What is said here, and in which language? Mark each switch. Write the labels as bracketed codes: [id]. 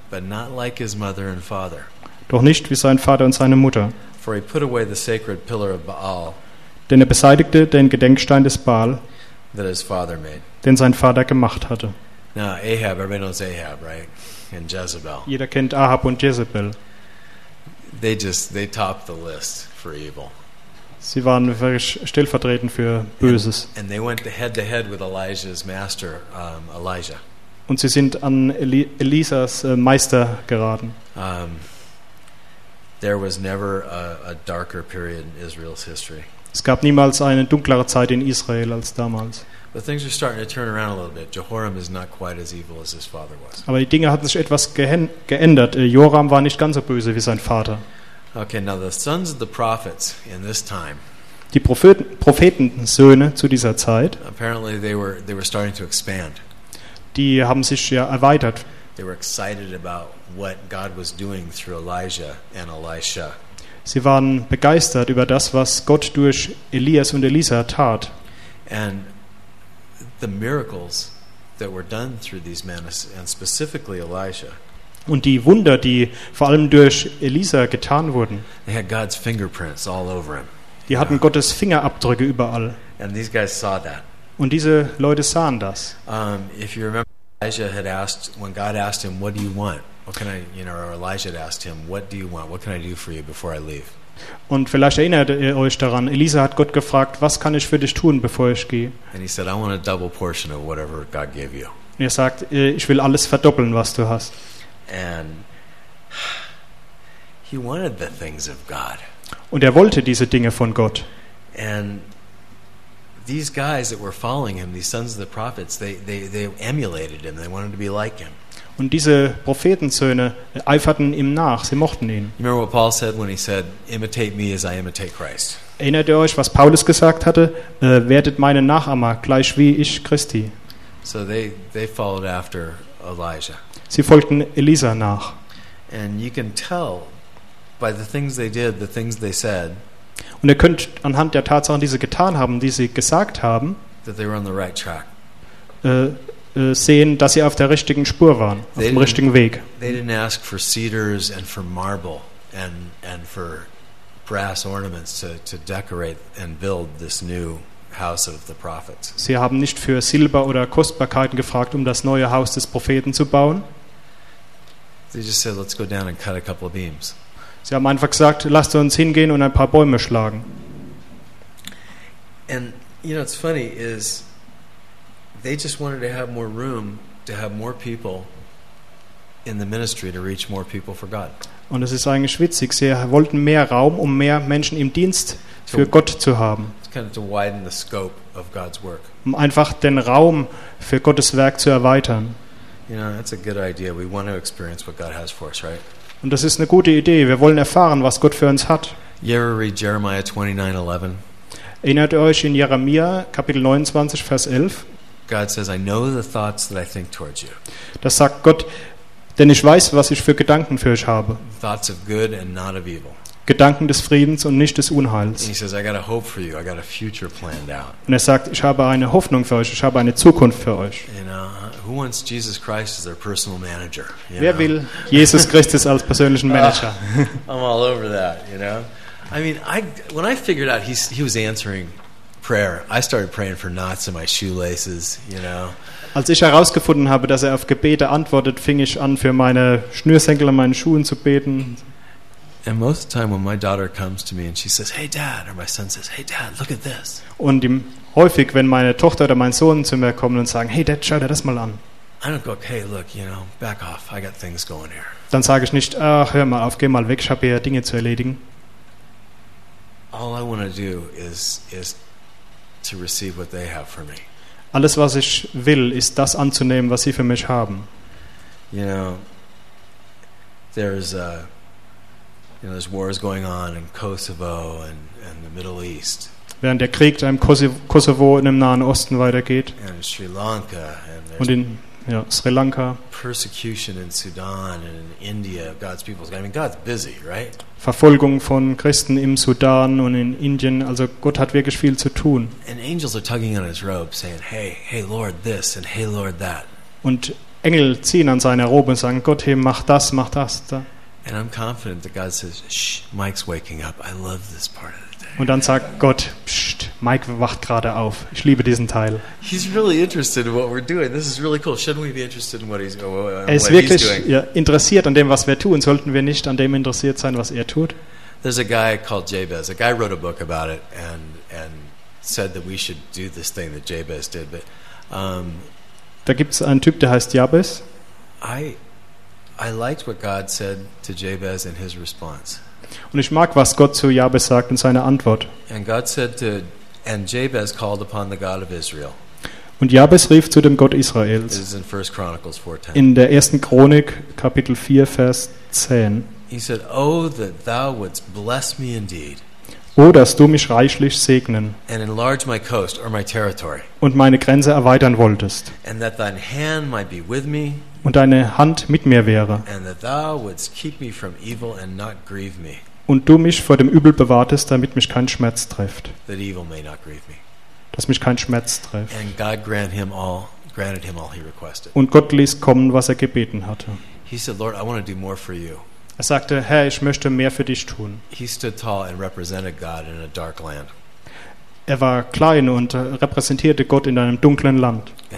[en] But not like his mother and father. [de] Doch nicht wie sein Vater und seine Mutter. [en] For he put away the sacred pillar of Baal, [de] denn er beseitigte den Gedenkstein des Baal, [en] that his father made. [de] Den sein Vater gemacht hatte. [en] Now Ahab, everybody knows Ahab, right? And Jezebel. [de] Jeder kennt Ahab und Jezebel. [en] They topped the list for evil. [de] Sie waren wirklich stellvertretend für Böses. [en] And they went head to head with Elijah's master, Elijah. [de] Und sie sind an Elisas Meister geraten. [en] There was never a darker period in Israel's history. [de] Es gab niemals eine dunklere Zeit in Israel als damals. [en] But things are starting to turn around a little bit. Jehoram is not quite as evil as his father was. [de] Aber die Dinge hatten sich etwas geändert. Joram war nicht ganz so böse wie sein Vater. [en] Okay, now the sons of the prophets in this time. [de] Die Prophetensöhne zu dieser Zeit. [en] Apparently they were starting to expand. [de] Die haben sich ja erweitert. [en] They were excited about what God was doing through Elijah and Elisha. [de] Sie waren begeistert über das, was Gott durch Elias und Elisa tat. [en] And the miracles that were done through these men, and specifically Elijah. [de] Und die Wunder, die vor allem durch Elisa getan wurden. [en] They had God's fingerprints all over him. [de] Die hatten Gottes Fingerabdrücke überall. [en] And these guys saw that. [de] Und diese Leute sahen das. [en] If you remember, Elijah had asked, when God asked him, "What do you want?" What can I, you know, or Elijah had asked him, "What do you want? What can I do for you before I leave?" [de] Und vielleicht erinnert ihr euch daran, Elisa hat Gott gefragt, was kann ich für dich tun, bevor ich gehe? [en] And he said, "I want a double portion of whatever God gave you." [de] Und er sagt, ich will alles verdoppeln, was du hast. [en] And he wanted the things of God. [de] Und er wollte diese Dinge von Gott. [en] And these guys that were following him, these sons of the prophets, they emulated him. They wanted to be like him. [de] Und diese Prophetensöhne eiferten ihm nach. Sie mochten ihn. [en] You remember what Paul said when he said, "Imitate me as I imitate Christ." [de] Erinnert ihr euch, was Paulus gesagt hatte? Werdet meine Nachahmer gleich wie ich Christi. [en] So they followed after Elijah. [de] Sie folgten Elisa nach. [en] And you can tell by the things they did, the things they said. [de] Und ihr könnt anhand der Tatsachen, die sie getan haben, die sie gesagt haben, [en] that they were on the right track. [de] Sehen, dass sie auf der richtigen Spur waren, auf dem richtigen Weg. [en] They didn't ask for cedars and for marble and for brass ornaments to decorate and build this new house of the prophets. [de] Sie haben nicht für Silber oder Kostbarkeiten gefragt, um das neue Haus des Propheten zu bauen. [en] They just said, "Let's go down and cut a couple of beams." [de] Sie haben einfach gesagt, lasst uns hingehen und ein paar Bäume schlagen. [en] And you know, it's funny is they just wanted to have more room to have more people in the ministry to reach more people for God. [de] Und es ist eigentlich witzig, sie wollten mehr Raum, um mehr Menschen im Dienst für Gott zu haben. [en] Kind of to widen the scope of God's work. [de] Um einfach den Raum für Gottes Werk zu erweitern. [en] You know, that's a good idea. We want to experience what God has for us, right? [de] Und das ist eine gute Idee. Wir wollen erfahren, was Gott für uns hat. [en] You ever read Jeremiah 29:11? [de] Erinnert ihr euch in Jeremia Kapitel 29 Vers 11? [en] God says, "I know the thoughts that I think towards you." [de] Das sagt Gott, denn ich weiß, was ich für Gedanken für euch habe. [en] Thoughts of good and not of evil. [de] Gedanken des Friedens und nicht des Unheils. [en] And he says, "I got a hope for you. I got a future planned out." [de] Und er sagt, ich habe eine Hoffnung für euch. Ich habe eine Zukunft für euch. [en] And, who wants Jesus Christ as their personal manager? You [de] Wer [en] know? [de] Will Jesus Christus als persönlichen Manager? [en] I'm all over that. You know, I mean, when I figured out he was answering prayer, I started praying for knots in my shoelaces. You know. [de] Als ich herausgefunden habe, dass er auf Gebete antwortet, fing ich an, für meine Schnürsenkel in meinen Schuhen zu beten. [en] And most of the time, when my daughter comes to me and she says, "Hey, Dad," or my son says, "Hey, Dad, look at this." [de] Und häufig, wenn meine Tochter oder mein Sohn zu mir kommen und sagen, "Hey, Dad, schau dir das mal an." [en] I don't go, "Hey, look, you know, back off. I got things going here." [de] Dann sage ich nicht, "Ach, hör mal auf, geh mal weg. Ich habe hier Dinge zu erledigen." [en] All I want to do is to receive what they have for me. [de] Alles, was ich will, ist das anzunehmen, was sie für mich haben. [en] You know, there's wars going on in Kosovo and the Middle East. [de] Während der Krieg da im Kosovo und im Nahen Osten weitergeht. [en] And in Sri Lanka [de] und in Ja, Sri Lanka. [en] Persecution in Sudan and in India, God's people. I mean, God's busy, right? [de] Verfolgung von Christen im Sudan und in Indien. Also Gott hat wirklich viel zu tun. [en] And angels are tugging on his robe, saying, "Hey, hey, Lord, this and hey, Lord, that." [de] Und Engel ziehen an seiner Robe und sagen, Gott, hey, mach das, da. [en] And I'm confident that God says, "Shh, Mike's waking up. I love this part of the day." [de] Und dann sagt Gott, "Psst, Mike wacht gerade auf. Ich liebe diesen Teil." [en] He's really interested in what we're doing. This is really cool. Shouldn't we be interested in what he's doing? [de] Er ist wirklich interessiert an dem, was wir tun. Sollten wir nicht an dem interessiert sein, was er tut? [en] There's a guy called Jabez. A guy wrote a book about it and said that we should do this thing that Jabez did. But [de] da gibt's einen Typ, der heißt Jabez. [en] I liked what God said to Jabez in his response. [de] Und ich mag, was Gott zu Jabez sagt in seiner Antwort. [en] And God said to, and Jabez called upon the God of Israel. [de] Und Jabez rief zu dem Gott Israels. [en] This is in 1 Chronicles 4:10. [de] In der ersten Chronik, Kapitel 4, Vers 10. [en] He said, "Oh, that thou wouldst bless me indeed." [de] Oh, dass du mich reichlich segnen. [en] And enlarge my coast or my territory. [de] Und meine Grenze erweitern wolltest. [en] And that thine hand might be with me. [de] Und deine Hand mit mir wäre. [en] And that thou wouldst keep me from evil and not grieve me. [de] Und du mich vor dem Übel bewahrtest, damit mich kein Schmerz trifft. [en] That evil may not grieve me. [de] Dass mich kein Schmerz trifft. [en] And God granted him all he requested. [de] Und Gott ließ kommen, was er gebeten hatte. [en] He said, "Lord, I want to do more for you." [de] Er sagte, Herr, ich möchte mehr für dich tun. [en] He stood tall and represented God in a dark land. [de] Er war klein und repräsentierte Gott in einem dunklen Land.